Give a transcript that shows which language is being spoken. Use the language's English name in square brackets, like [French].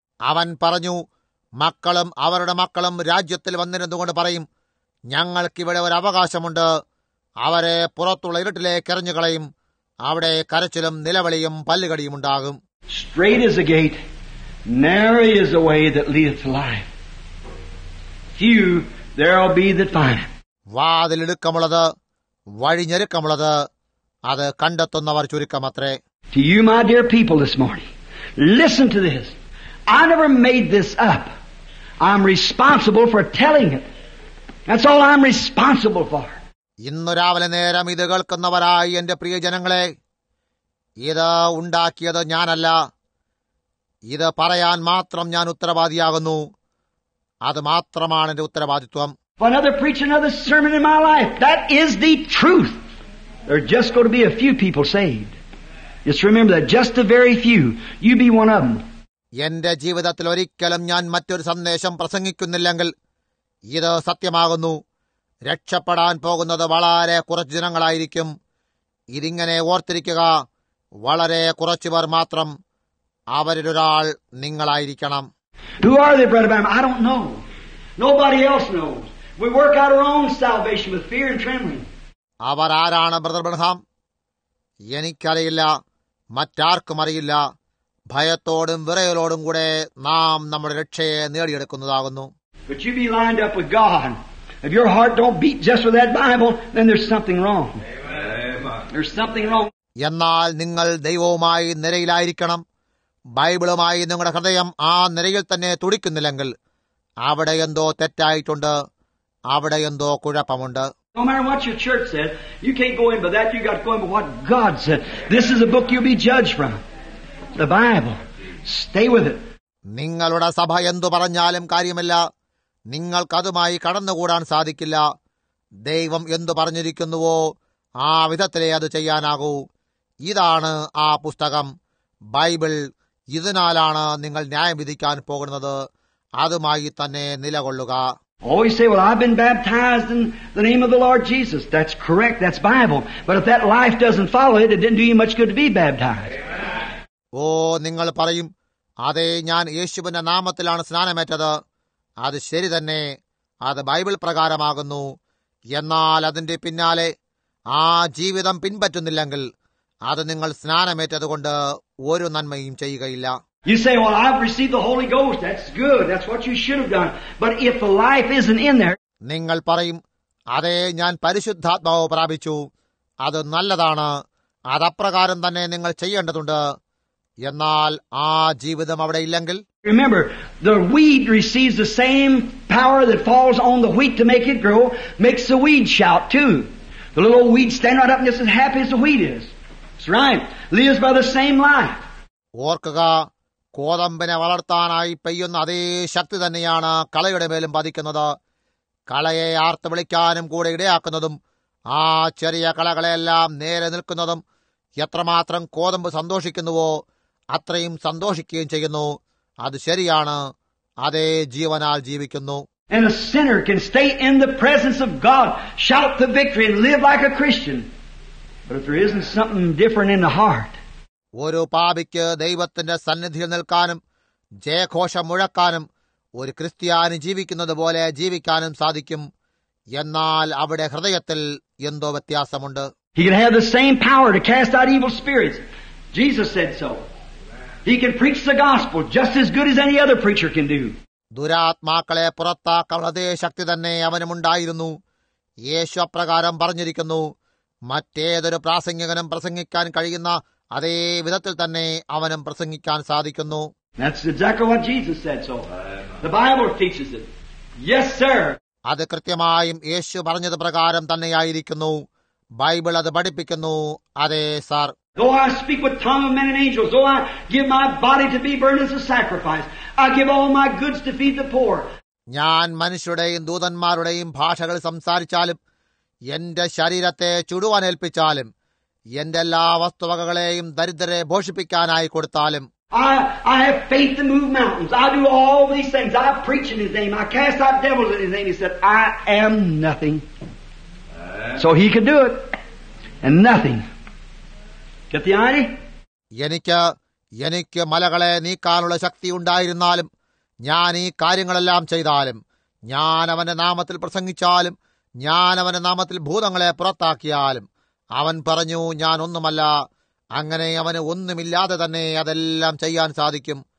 [Malayalam] അവൻ പറഞ്ഞു, മക്കളും അവരുടെ മക്കളും രാജ്യത്തിൽ വന്നിരുന്നുകൊണ്ട് പറയും, ഞങ്ങൾക്കിവിടെ ഒരു അവകാശമുണ്ട്, അവരെ പുറത്തുള്ള ഇരുട്ടിലേക്ക് എറിഞ്ഞു കളയും, അവിടെ കരച്ചിലും നിലവിളിയും പല്ലുകടിയും ഉണ്ടാകും. [English] Straight is the gate, narrow is the way that leadeth to life. Few there will be that find. [Malayalam] വാതിലിടുക്കമുള്ളത്, വഴിഞ്ഞെരുക്കമുള്ളത്, അത് കണ്ടെത്തുന്നവർ ചുരുക്കമത്രേ. [English] To you, my dear people, this morning, listen to this. I never made this up. I'm responsible for telling it. That's all I'm responsible for. [Malayalam] ഇന്നു രാവിലെ നേരം ഇത് കേൾക്കുന്നവരായി എന്റെ പ്രിയജനങ്ങളെ, ഇത് ഉണ്ടാക്കിയത് ഞാനല്ല, ഇത് പറയാൻ മാത്രം ഞാൻ ഉത്തരവാദിയാകുന്നു, അത് മാത്രമാണ് എന്റെ ഉത്തരവാദിത്വം. [English] For another preach another sermon in my life, that is the truth. There's just going to be a few people saved. Just remember that, just a very few. You be one of them. [Malayalam] എന്റെ ജീവിതത്തിൽ ഒരിക്കലും ഞാൻ മറ്റൊരു സന്ദേശം പ്രസംഗിക്കുന്നില്ലെങ്കിൽ ഇത് സത്യമാകുന്നു, രക്ഷപ്പെടാൻ പോകുന്നത് വളരെ കുറച്ചു ജനങ്ങളായിരിക്കും. ഇതിങ്ങനെ ഓർത്തിരിക്കുക, വളരെ കുറച്ചുപേർ മാത്രം, അവരിലൊരാൾ നിങ്ങളായിരിക്കണം. [English] Who are they, Brother Bam? I don't know. Nobody else knows. We work out our own salvation with fear and trembling. [Malayalam] അവർ ആരാണ് ബ്രദർ ബ്രഹാം? എനിക്കറിയില്ല, മറ്റാർക്കും അറിയില്ല. ഭയത്തോടും വിറയലോടും കൂടെ നാം നമ്മുടെ രക്ഷയെ നേടിയെടുക്കുന്നതാകുന്നു. [English] But you be lined up with God. If your heart don't beat just with that Bible, then there's something wrong. Amen. There's something wrong. [Malayalam] എന്നാൽ നിങ്ങൾ ദൈവവുമായി നിരയിലായിരിക്കണം. ബൈബിളുമായി നിങ്ങളുടെ ഹൃദയം ആ നിരയിൽ തന്നെ തുടിക്കുന്നില്ലെങ്കിൽ അവിടെ എന്തോ തെറ്റായിട്ടുണ്ട്, അവിടെ എന്തോ കുഴപ്പമുണ്ട്. [English] No matter what your church says, you can't go in by that. You got to go in by what God said. This is a book you'll be judged from. The Bible. Stay with it. [Malayalam] നിങ്ങളുടെ സഭ എന്തു പറഞ്ഞാലും കാര്യമില്ല, നിങ്ങൾക്കതുമായി കടന്നുകൂടാൻ സാധിക്കില്ല. ദൈവം എന്തു പറഞ്ഞിരിക്കുന്നുവോ ആ വിധത്തിലേ അത് ചെയ്യാനാകൂ. ഇതാണ് ആ പുസ്തകം, ബൈബിൾ. ഇതിനാലാണ് നിങ്ങൾ ന്യായം വിധിക്കാൻ പോകുന്നത്. അതുമായി തന്നെ നിലകൊള്ളുക. [English] Always say, well, I've been baptized in the name of the Lord Jesus. That's correct. That's Bible. But if that life doesn't follow it, it didn't do you much good to be baptized. [Malayalam] ഓ, നിങ്ങൾ പറയും, അതെ, ഞാൻ യേശുവിന്റെ നാമത്തിലാണ് സ്നാനമേറ്റത്, അത് ശരി തന്നെ, അത് Bible പ്രകാരമാകുന്നു. എന്നാൽ അതിന്റെ പിന്നാലെ ആ ജീവിതം പിൻപറ്റുന്നില്ലെങ്കിൽ അത് നിങ്ങൾ സ്നാനമേറ്റതുകൊണ്ട് ഒരു നന്മയും ചെയ്യുകയില്ല. [English] You say, well, I've received the Holy Ghost. That's good. That's what you should have done. But if the life isn't in there... [Malayalam] നിങ്ങൾ പറയും, അതെ, ഞാൻ പരിശുദ്ധാത്മാവ് പ്രാപിച്ചു, അത് നല്ലതാണ്, അതപ്രകാരം തന്നെ നിങ്ങൾ ചെയ്യേണ്ടതുണ്ട്. എന്നാൽ ആ ജീവിതം അവിടെ ഇല്ലെങ്കിൽ... [English] Remember, the wheat receives the same power that falls on the wheat to make it grow, makes the weed shout too. The little wheat stand right up and just as happy as the wheat is. That's right. Lives by the same life. [Malayalam] ഓർക്കുക, കോതമ്പിനെ വളർത്താനായി പെയ്യുന്ന അതേ ശക്തി തന്നെയാണ് കളയുടെ മേലും പതിക്കുന്നത്. കളയെ ആർത്തു വിളിക്കാനും കൂടെ ഇടയാക്കുന്നതും ആ ചെറിയ കളകളെയെല്ലാം നേരെ നിൽക്കുന്നതും എത്രമാത്രം കോതമ്പ് സന്തോഷിക്കുന്നുവോ അത്രയും സന്തോഷിക്കുകയും ചെയ്യുന്നു. അത് ശരിയാണ്, അതേ ജീവനാൽ ജീവിക്കുന്നു. [English] And a sinner can stay in the presence of God, shout the victory and live like a Christian. But if there isn't something different in the heart, [Malayalam] ഒരു പാപിക്ക് ദൈവത്തിന്റെ സന്നിധിയിൽ നിൽക്കാനും ജയഘോഷം മുഴക്കാനും ഒരു ക്രിസ്ത്യാനി ജീവിക്കുന്നത് പോലെ ജീവിക്കാനും സാധിക്കും. എന്നാൽ അവിടെ ഹൃദയത്തിൽ എന്തോ വ്യത്യാസമുണ്ട്. [English] He can have the same power to cast out evil spirits. Jesus said so. He can preach the gospel just as good as any other preacher can do. [Malayalam] ദുരാത്മാക്കളെ പുറത്താക്കാനുള്ള അതേ ശക്തി തന്നെ അവനുമുണ്ടായിരുന്നു. യേശു അപ്രകാരം പറഞ്ഞിരിക്കുന്നു, മറ്റേതൊരു പ്രാസംഗികനും പ്രസംഗിക്കാൻ കഴിയുന്ന അതേ വിധത്തിൽ തന്നെ അവനും പ്രസംഗിക്കാൻ സാധിക്കുന്നു. [English] That's exactly what Jesus said so. The Bible teaches it. Yes, sir. [Malayalam] അത് കൃത്യമായും യേശു പറഞ്ഞത് പ്രകാരം തന്നെയായിരിക്കുന്നു. ബൈബിൾ അത് പഠിപ്പിക്കുന്നു. അതെ, sir. [English] Though I speak with tongues of men and angels, though I give my body to be burned as a sacrifice, I give all my goods to feed the poor. [Malayalam] ഞാൻ മനുഷ്യരുടെയും ദൂതന്മാരുടെയും ഭാഷകൾ സംസാരിച്ചാലും എന്റെ ശരീരത്തെ ചുടുവാൻ ഏൽപ്പിച്ചാലും എന്റെ എല്ലാ വസ്തുവകകളെയും ദരിദ്രരെ പോഷിപ്പിക്കാനായി കൊടുത്താലും [English] I have faith to move mountains. I do all these things. I preach in his name. I cast out devils in his name. He said, I am nothing. So he can do it. And nothing. Get the idea? [Malayalam] എനിക്ക് എനിക്ക് മലകളെ നീക്കാനുള്ള ശക്തി ഉണ്ടായിരുന്നാലും ഞാൻ ഈ കാര്യങ്ങളെല്ലാം ചെയ്താലും ഞാൻ അവന്റെ നാമത്തിൽ പ്രസംഗിച്ചാലും ഞാൻ അവന്റെ നാമത്തിൽ ഭൂതങ്ങളെ പുറത്താക്കിയാലും അവൻ പറഞ്ഞു, ഞാൻ ഒന്നുമല്ല. അങ്ങനെ അവന് ഒന്നുമില്ലാതെ തന്നെ അതെല്ലാം ചെയ്യാൻ സാധിക്കും.